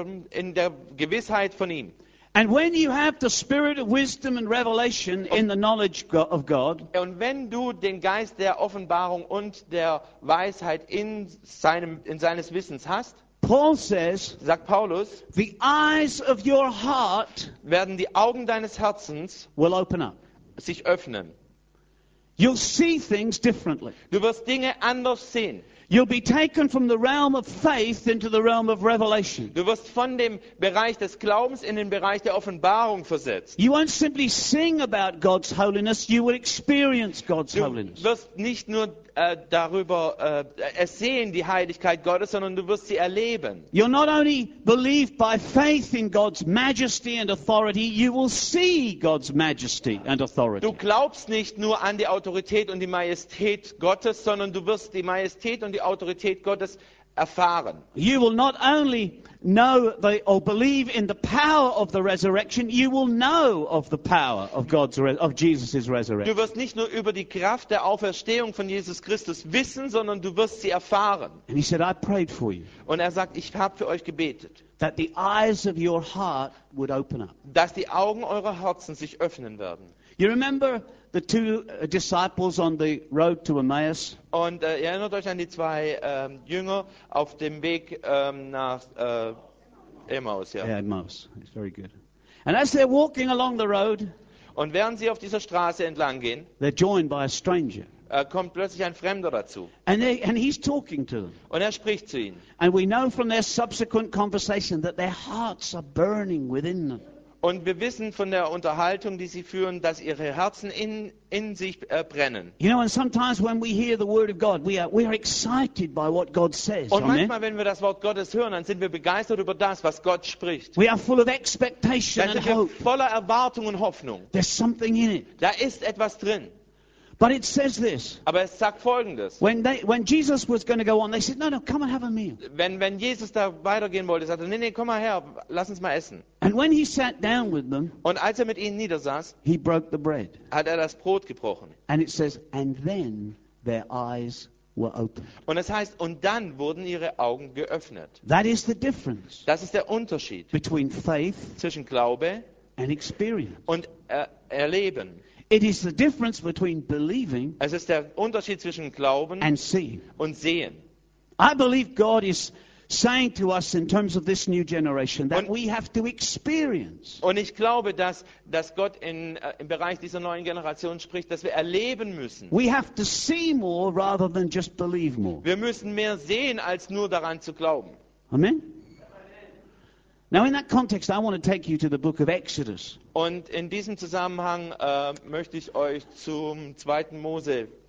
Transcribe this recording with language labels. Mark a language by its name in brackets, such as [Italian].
[German] In der Gewissheit von ihm. [English] And when you have the spirit of wisdom and revelation in the knowledge of God, [German] und wenn du den Geist der Offenbarung und der Weisheit in seines Wissens hast, [English] Paul says, [German] sagt Paulus, [English] the eyes of your heart [German] werden die Augen deines Herzens [English] will open up, [German] sich öffnen. [English] You'll see things differently. [German] Du wirst Dinge anders sehen. [English] You'll be taken from the realm of faith into the realm of revelation. [German] Du wirst von dem Bereich des Glaubens in den Bereich der Offenbarung versetzt. [English] You won't simply sing about God's holiness, you will experience God's holiness. [German] Du wirst nicht nur darüber sehen, die Heiligkeit Gottes, sondern du wirst sie erleben. [English] You'll not only believe by faith in God's majesty and authority, you will see God's majesty and authority. [German] Du glaubst nicht nur an die Autorität und die Majestät Gottes, sondern du wirst die Majestät und die Autorität Gottes erfahren. [English] You will not only know or believe in the power of the resurrection, you will know of the power of God's of Jesus's resurrection. [German] Du wirst nicht nur über die Kraft der Auferstehung von Jesus Christus wissen, sondern du wirst sie erfahren. [English] And he said, I prayed for you. [German] Und er sagt, ich habe für euch gebetet. [English] That the eyes of your heart would open up. [German] Dass die Augen eurer Herzen sich öffnen werden. [English] You remember the two disciples on the road to Emmaus. [German] Und erinnert euch an die zwei Jünger auf dem Weg nach Emmaus. Ja. [English] Yeah, Emmaus. It's very good. And as they're walking along the road, [German] und während sie auf dieser Straße entlang gehen, [English] they're joined by a stranger. [German] Kommt plötzlich ein Fremder dazu. [English] And he's talking to them. [German] Und er spricht zu ihnen. [English] And we know from their subsequent conversation that their hearts are burning within them. [German] Und wir wissen von der Unterhaltung, die sie führen, dass ihre Herzen in sich brennen. [English] You know, and sometimes when we hear the word of God, we are excited by what God says. [German] Und manchmal, wenn wir das Wort Gottes hören, dann sind wir begeistert über das, was Gott spricht. [English] We are full of expectation and hope. [German] Dann sind wir voller Erwartung und Hoffnung. [English] There's something in it. [German] Da ist etwas drin. [English] But it says this. [German] Aber es sagt Folgendes. [English] When Jesus was going to go on, they said, no, come and have a meal. [German] Wenn Jesus da weitergehen wollte, sagte er, nee, komm mal her, lass uns mal essen. [English] And when he sat down with them, [German] und als er mit ihnen niedersaß, [English] he broke the bread. [German] Hat er das Brot gebrochen. [English] And it says, and then their eyes were opened. [German] Und es heißt, und dann wurden ihre Augen geöffnet. [English] That is the difference. [German] Das ist der Unterschied [English] between faith, [German] zwischen Glaube, [English] and experience, [German] und Erleben. [English] It is the difference between believing, [German] es ist der Unterschied zwischen Glauben [English] and seeing. [German] Und Sehen. [English] I believe God is saying to us in terms of this new generation that we have to experience. [German] Und ich glaube, dass Gott im Bereich dieser neuen Generation spricht, dass wir erleben müssen. [English] We have to see more rather than just believe more. [German] Wir müssen mehr sehen als nur daran zu glauben. [English] Amen. Now in that context I want to take you to the book of Exodus. [German] Und in diesem Zusammenhang möchte ich euch zum zweiten Mose